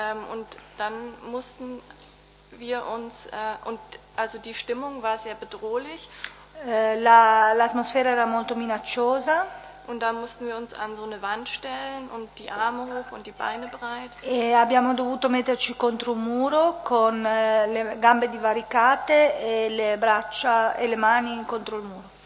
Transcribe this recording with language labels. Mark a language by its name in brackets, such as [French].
[German] Und dann mussten wir uns und also die Stimmung war sehr bedrohlich. [Italian] L'atmosfera era molto minacciosa. [German] Und da mussten wir uns an so eine Wand stellen und die Arme hoch und die Beine breit. [Italian] E abbiamo dovuto metterci contro un muro con le gambe divaricate e le braccia e le mani contro il muro.